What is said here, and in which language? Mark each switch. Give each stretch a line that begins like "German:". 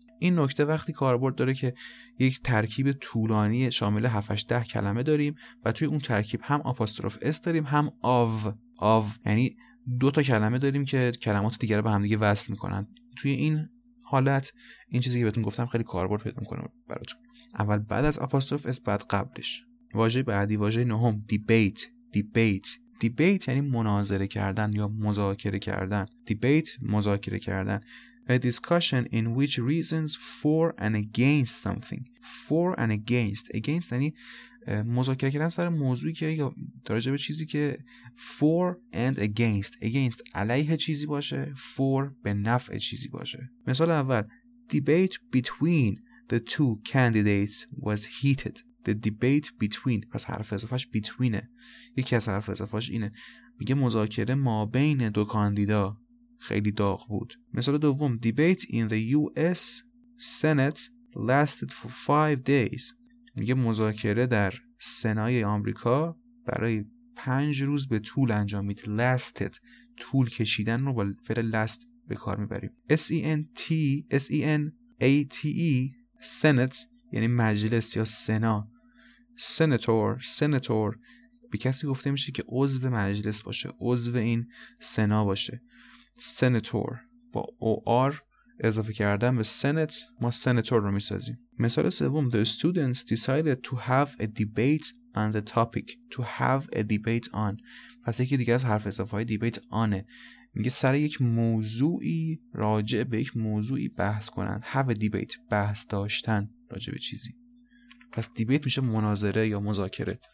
Persian: این نکته وقتی کاربرد داره که یک ترکیب طولانی شامل 7-8-10 کلمه داریم و توی اون ترکیب هم آپاستروف اس داریم هم of، یعنی دو تا کلمه داریم که کلمات دیگر رو به همدیگه وصل میکنن. توی این حالت این چیزی که بهتون گفتم خیلی کاربرد پیدا میکنه براتون، اول بعد از آپاستروف اس بعد قبلش. واژه بعدی واژه نهم debate، debate یعنی مناظره کردن یا مذاکره کردن. debate مذاکره کردن.
English: a discussion in which reasons for and against something. for and against،
Persian: against یعنی مذاکره کردن سر موضوعی که یا درجه به چیزی که، for and against، against علیه چیزی باشه، for به نفع چیزی باشه. مثال اول
English: debate between the two candidates was heated. the debate between،
Persian: پس حرف اضافهش بتوینه، یکی از حرف اضافهش اینه، میگه مذاکره ما بین دو کاندیدا خیلی داغ بود. مثال دوم
English: debate in the US Senate lasted for 5 days،
Persian: میگه مذاکره در سنای آمریکا برای 5 روز به طول انجامید. lasted طول کشیدن رو با فعل last به کار میبریم. senate senate یعنی مجلس یا سنا. سناتور، به کسی گفته میشه که عضو مجلس باشه، عضو این سنا باشه. سناتور با او آر اضافه کردن به سنت ما سناتور رو میسازیم. مثال سوم
English: the students decided to have a debate on the topic. to have a debate on،
Persian: پس یکی دیگه از حرف اضافه های
English: debate on،
Persian: میگه سر یک موضوعی، راجع به یک موضوعی بحث کنن.
English: have a debate
Persian: بحث داشتن راجع به چیزی، پس دیبیت میشه مناظره یا مذاکره.